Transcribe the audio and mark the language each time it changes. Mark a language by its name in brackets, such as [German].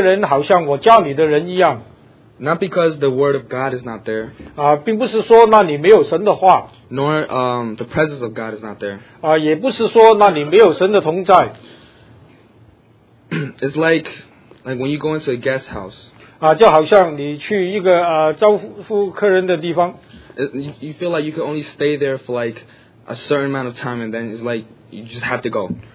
[Chinese] 我从来没有感觉到就是那些人好像我家里的人一样。 [English] Not because the word of God is not there. [Chinese] 并不是说那里没有神的话。 [English] Nor the presence of God is not there. [Chinese] 也不是说那里没有神的同在。 [English] It's like when you go into a guest house. [Chinese] 就好像你去一个招呼客人的地方。 [English] You feel like you can only stay there for like a certain amount of time, and then it's like you just have to go.